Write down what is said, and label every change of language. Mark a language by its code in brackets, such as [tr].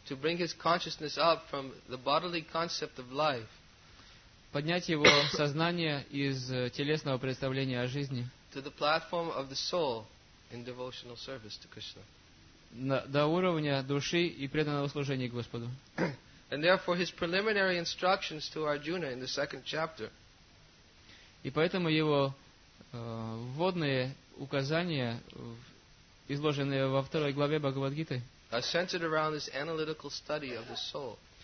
[en] To bring his consciousness up from the bodily concept of life. [ru] Поднять его сознание из телесного представления о жизни. [en] To the platform of the soul in devotional service to Krishna. [ru] До уровня души и преданного служения Господу. [en] And therefore his preliminary instructions to Arjuna in the second chapter. [ru] И поэтому его вводные указания, изложенные во второй главе Бхагавад-гиты, [en] centered around this analytical study of the soul.